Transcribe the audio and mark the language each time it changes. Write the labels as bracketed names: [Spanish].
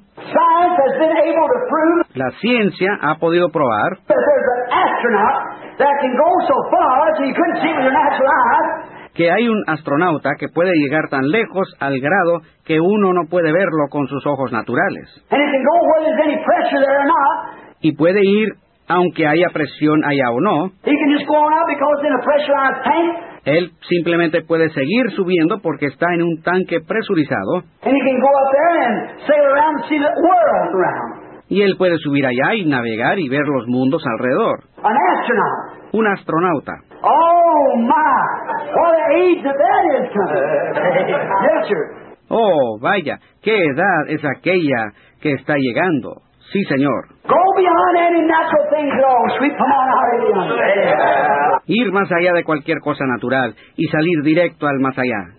[English] Science has been able to prove. [Spanish] La ciencia ha podido probar. [English] There's an astronaut that can go so far that you couldn't see with your natural eyes. [Spanish] Que hay un astronauta que puede llegar tan lejos al grado que uno no puede verlo con sus ojos naturales. [English] And it can go where there's any pressure there or not. [Spanish] Y puede ir aunque haya presión allá o no. [English] He can just go on out because in a pressurized tank. [Spanish] Él simplemente puede seguir subiendo porque está en un tanque presurizado. [English] And he can go up there and sail around and see the world around. [Spanish] Y él puede subir allá y navegar y ver los mundos alrededor. [English] An astronaut. [Spanish] Un astronauta. [English] Oh my! What age that is coming? Yes, sir. [Spanish] Oh, vaya, qué edad es aquella que está llegando. Sí, señor. [English] Go beyond any natural thing, though. Sweep them on out of the [Spanish] Ir más allá de cualquier cosa natural y salir directo al más allá.